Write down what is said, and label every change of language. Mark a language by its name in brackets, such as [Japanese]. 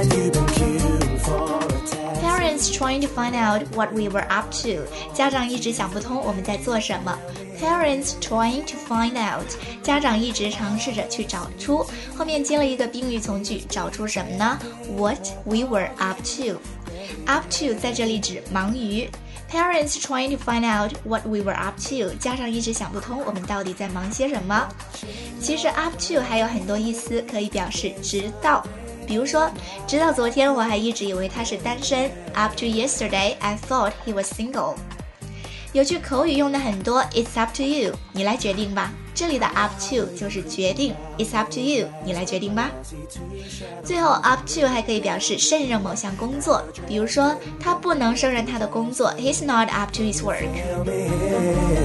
[English] Parents trying to find out what we were up to， [Chinese] 家长一直想不通我们在做什么。 [English] Parents trying to find out， [Chinese] 家长一直尝试着去找出，后面接了一个宾语从句，找出什么呢？ [English] What we were up to。 [Chinese] Up to 在这里指忙于。 [English] Parents trying to find out what we were up to， [Chinese] 家长一直想不通我们到底在忙些什么。其实 up to 还有很多意思，可以表示直到。比如说，直到昨天我还一直以为他是单身。 [English] Up to yesterday, I thought he was single。 [Chinese] 有句口语用的很多 ， [English] It's up to you， [Chinese] 你来决定吧。这里的 up to 就是决定 ， [English] It's up to you， [Chinese] 你来决定吧。最后 up to 还可以表示胜任某项工作，比如说他不能胜任他的工作 ， [English] He's not up to his work。